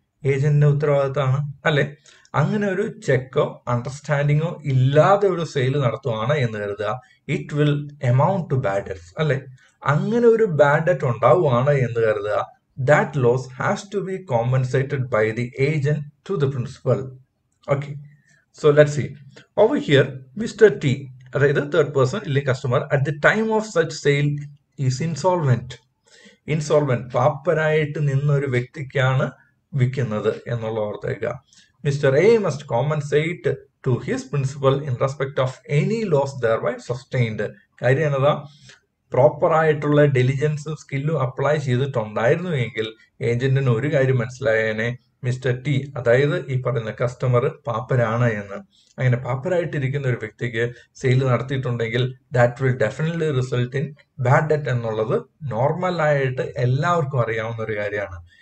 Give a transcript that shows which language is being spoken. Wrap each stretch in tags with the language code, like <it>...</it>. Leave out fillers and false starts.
<ml>ഏജന്റിന്റെ ഉത്തരവാദിത്തമാണ് അല്ലെ? അങ്ങനെ ഒരു ചെക്കോ അണ്ടർസ്റ്റാൻഡിങ്ങോ ഇല്ലാതെ ഒരു സെയിൽ നടത്തുവാണ് എന്ന് കരുതുക,</ml> <en>it will amount to bad debts</en> <ml>അല്ലെ? അങ്ങനെ ഒരു ബാഡ് ഡെറ്റ് ഉണ്ടാവുകയാണ് എന്ന് കരുതുക,</ml> <en>That loss has to be compensated by the agent to the principal. Okay, so let's see over here, Mr. T</en> <ml>അതായത്</ml> <en>third person</en> <ml>ഇല്ലെങ്കിൽ</ml> <en>Customer at the time of such sale is insolvent.</en> <ml>Insolvent, പാപ്പരായിട്ട് നിന്ന ഒരു വ്യക്തിക്കാണ് വിൽക്കുന്നത് എന്നുള്ള ഓർത്തേക്ക.</ml> <en>Mr. A must compensate to his principal in respect of any loss thereby sustained.</en> <ml>കാര്യം എന്നതാ, proper ആയിട്ടുള്ള ഡെലിജൻസും സ്കില്ലും apply ചെയ്തിട്ടുണ്ടായിരുന്നു എങ്കിൽ ഏജന്റിന് ഒരു കാര്യം മനസ്സിലായേനെ, മിസ്റ്റർ ടി അതായത് ഈ പറയുന്ന കസ്റ്റമർ പാപ്പരാണ് എന്ന്. അങ്ങനെ പാപ്പരായിട്ടിരിക്കുന്ന ഒരു വ്യക്തിക്ക് sale നടത്തിയിട്ടുണ്ടെങ്കിൽ</ml> <en>that will definitely result in bad debt</en> <ml>എന്നുള്ളത് നോർമലായിട്ട് എല്ലാവർക്കും അറിയാവുന്ന ഒരു കാര്യമാണ്.</ml>